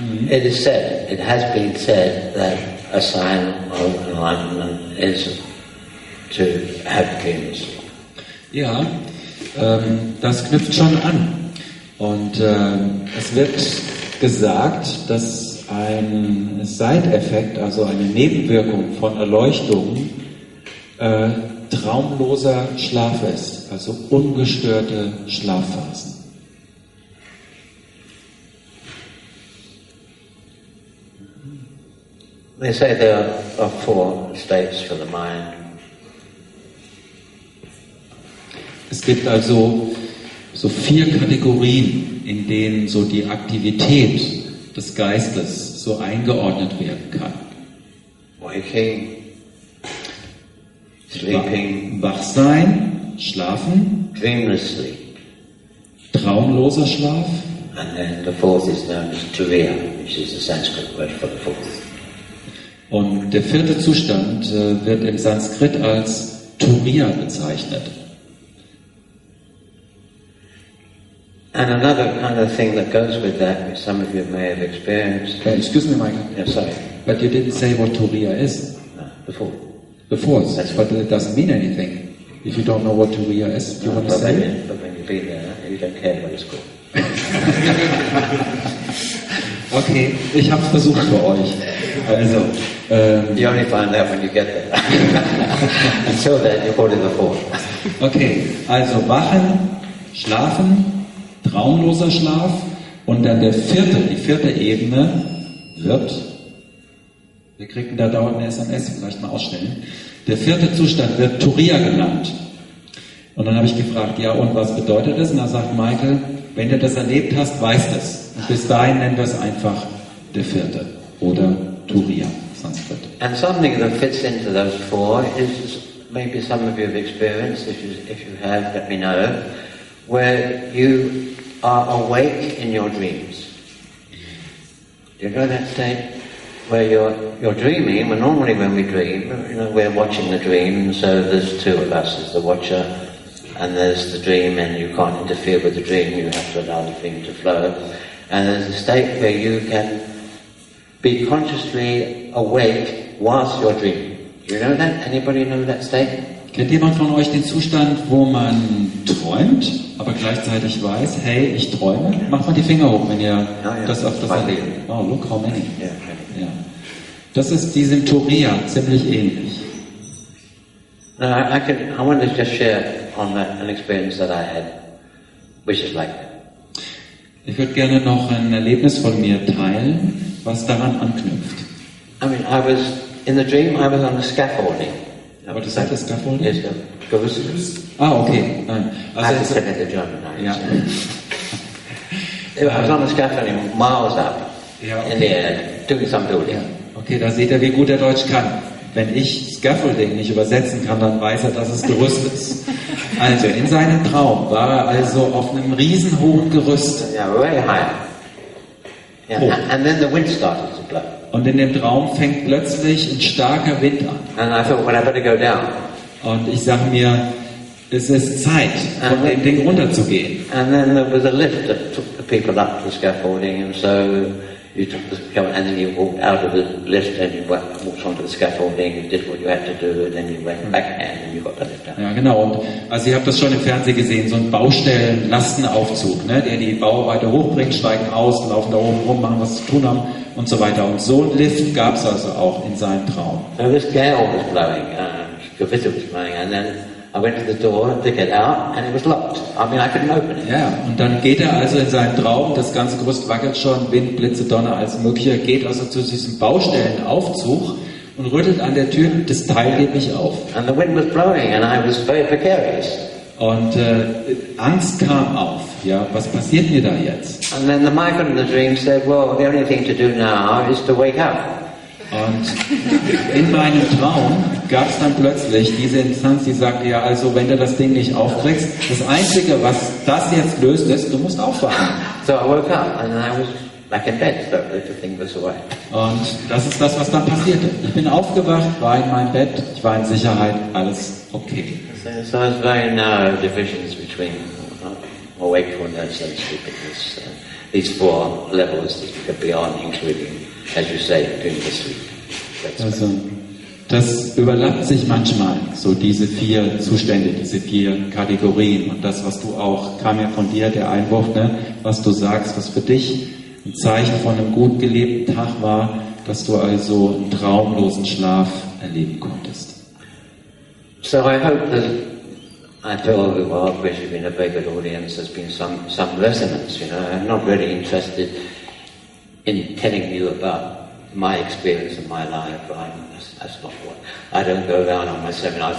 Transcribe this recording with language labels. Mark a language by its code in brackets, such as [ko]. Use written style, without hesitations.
[en] It is said, it has been said that a sign of enlightenment is to have dreams. [de] Ja, das knüpft schon an. Und es wird gesagt, dass ein Side-Effekt, also eine Nebenwirkung von Erleuchtung, traumloser Schlaf ist, also ungestörte Schlafphasen. [en] They say there are four states for the mind. [de] Es gibt also so vier Kategorien, in denen so die Aktivität des Geistes so eingeordnet werden kann. [en] Waking, sleeping, [de] Wachsein, Schlafen, [en] dreamless sleep, [de] traumloser Schlaf, [en] and then the fourth is known as Turiya, which is the Sanskrit word for the fourth. [de] Und der vierte Zustand wird im Sanskrit als Turiya bezeichnet. [en] And another kind of thing that goes with that, which some of you may have experienced. Excuse me, Michael. Yeah, sorry. But you didn't say what Turiya is. Before. Before. That's but it doesn't mean anything. If you don't know what Turiya is, do you want to say it? But when you've been there, you don't care what it's called. [de] Okay, ich habe es versucht für euch. Also, [en] you only find that when you get there. Until then, you hold it before. [de] Okay, also wachen, schlafen, traumloser Schlaf und dann der vierte, die vierte Ebene wird, wir kriegen da dauernd eine SMS, vielleicht mal ausstellen, der vierte Zustand wird Turiya genannt. Und dann habe ich gefragt, ja und was bedeutet das? Und da sagt Michael, wenn du das erlebt hast, weißt du es. Und bis dahin nennen wir es einfach der vierte oder Turiya, Sanskrit. [en] And something that fits into those four is maybe some of you have experienced, if you have, let me know, where you are awake in your dreams. Do you know that state? Where you're dreaming, well normally when we dream, you know, we're watching the dream, so there's two of us, there's the watcher and there's the dream, and you can't interfere with the dream, you have to allow the dream to flow. And there's a state where you can be consciously awake whilst you're dreaming. Do you know that? Anybody know that state? [de] Kennt jemand von euch den Zustand, wo man träumt, aber gleichzeitig weiß, hey, ich träume? Macht mal die Finger hoch, wenn ihr das öfters erlebt. [en] Oh, look how many. Yeah. Yeah. [de] Das ist diesem Turiya ziemlich ähnlich. [en] Now, I want to just share on that, an experience that I had, which is like that. [de] Ich würde gerne noch ein Erlebnis von mir teilen, was daran anknüpft. [en] I mean, I was, in the dream, I was on the scaffolding. No, what is that, the scaffolding? Yes, the ghost. Ah, okay. Also, I have to say that in German. Yeah. I was on the scaffolding miles up in the air, doing some building. Yeah. [de] Okay, da seht ihr, wie gut der Deutsch kann. Wenn ich Scaffolding nicht übersetzen kann, dann weiß er, dass es Gerüst ist. Also, in seinem Traum war er also auf einem riesenhohen Gerüst. [en] Yeah, way high. Yeah. And then the wind started to blow. [de] Und in dem Traum fängt plötzlich ein starker Wind an. [en] And I thought, well, I better go down. [de] Und ich sage mir, es ist Zeit, von dem Ding runterzugehen. [en] And then there was a lift that took the people up the scaffolding, and so you took the scaffolding, and then you walked out of the lift, and you walked onto the scaffolding, and did what you had to do, and then you went back and then you got the lift down. [de] Ja, genau. Und also ihr habt das schon im Fernsehen gesehen, so ein Baustellenlastenaufzug, ne, der die Bauarbeiter hochbringt, steigen aus, laufen da oben rum, machen was zu tun haben. Und so weiter. Und so einen Lift gab es also auch in seinem Traum. [en] So this gale was blowing, Gewitter was blowing, and then I went to the door to get out, and it was locked. I mean, I couldn't open it. Ja, yeah. [de] Und dann geht er also in seinem Traum, das ganze Gerüst wackelt schon, Wind, Blitze, Donner, alles mögliche, geht also zu diesem Baustellenaufzug und rüttelt an der Tür, das Teil geht nicht auf. [en] And the wind was blowing, and I was very precarious. [de] Und Angst kam auf. Ja, was passiert mir da jetzt? [en] And then the Michael in the dream said, well, the only thing to do now is to wake up. [de] Und in meinem Traum gab es dann plötzlich diese Instanz, die sagte, ja, also wenn du das Ding nicht aufkriegst, das Einzige, was das jetzt löst, ist, du musst aufwachen. [en] So I woke up and I was back in bed, so the thing was away. [de] Und das ist das, was dann passierte. Ich bin aufgewacht, war in meinem Bett, ich war in Sicherheit, alles okay. [en] So there's very narrow divisions between awakefulness and sleepiness. These four levels that you could be on, including, as you say, during the sleep. [de] Also, das überlappt sich manchmal, so diese vier Zustände, diese vier Kategorien. Und das, was du auch, kam ja von dir, der Einwurf, ne, was du sagst, was für dich ein Zeichen von einem gut gelebten Tag war, dass du also einen traumlosen Schlaf erleben konntest. [en] So I hope that I feel we were, which has been a very good audience, there's been some resonance, you know. I'm not really interested in telling you about my experience of my life, that's not what. I don't go down on my seminars.